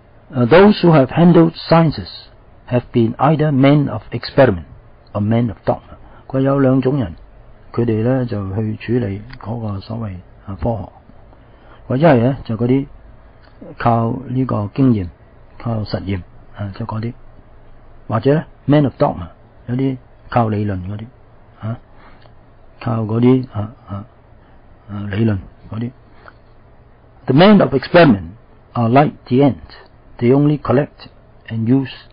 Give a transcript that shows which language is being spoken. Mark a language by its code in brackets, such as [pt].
[en] Those who have handled sciences have been either men of experiment or men of dogma。 [zh] 他有两种人，他们呢就去处理那个所谓科学，或者是呢就那些靠这个经验靠实验、就那些，或者呢 [en] men of dogma， [zh] 有些靠理论那些、靠那些、理论那些。 [en] The men of experiment are like the ant，They only collect and use。